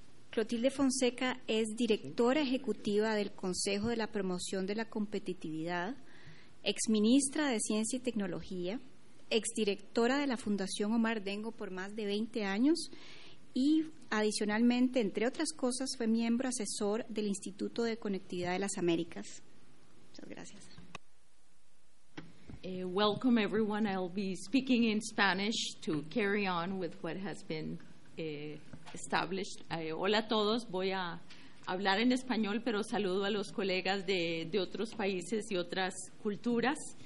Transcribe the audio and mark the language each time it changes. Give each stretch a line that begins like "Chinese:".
Spanish: Clotilde Fonseca es directora ejecutiva del Consejo de la Promoción de la Competitividad, exministra de Ciencia y Tecnología, exdirectora de la Fundación Omar Dengo por más de 20 años y, adicionalmente, entre otras cosas, fue miembro asesor del Instituto de Conectividad de las Américas. Muchas gracias.
English: Welcome, everyone. I'll be speaking in Spanish to carry on with what has been established.
Spanish: Hola a todos. Voy a hablar en español, pero saludo a los colegas de otros países y otras culturas.